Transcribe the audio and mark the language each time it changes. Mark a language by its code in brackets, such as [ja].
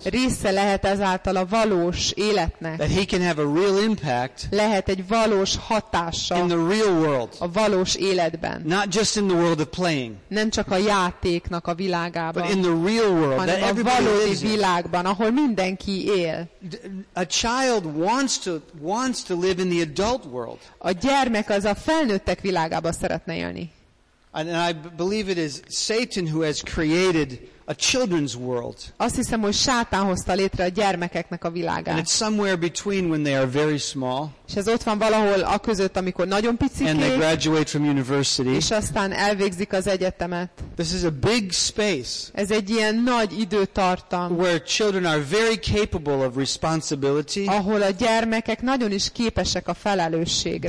[hu] Része lehet ezáltal a valós életnek. [en] That he can have a real impact. [hu] Lehet egy valós hatása. [en] In the real world. [hu] A valós életben. [en] Not just in the world of playing. [hu] Nem csak a játéknak a világában. [en] But in the real world, that [hu] a valódi világban, ahol mindenki él. [en] A child wants to live in the adult world. [hu] A gyermek az a felnőttek világába szeretne élni. [en] And I believe it is Satan who has created a children's world. [hu] Azt hiszem, hogy Sátán hozta létre a gyermekeknek a világát. [en] And it's somewhere between when they are very small. [hu] És ez ott van valahol a között, amikor nagyon picikék. [en] And they graduate from university. [hu] És aztán elvégzik az egyetemet. [en] This is a big space. [hu] Ez egy ilyen nagy időtartam. [en] Where children are very capable of responsibility. [hu] Ahol a gyermekek nagyon is képesek a felelősségre.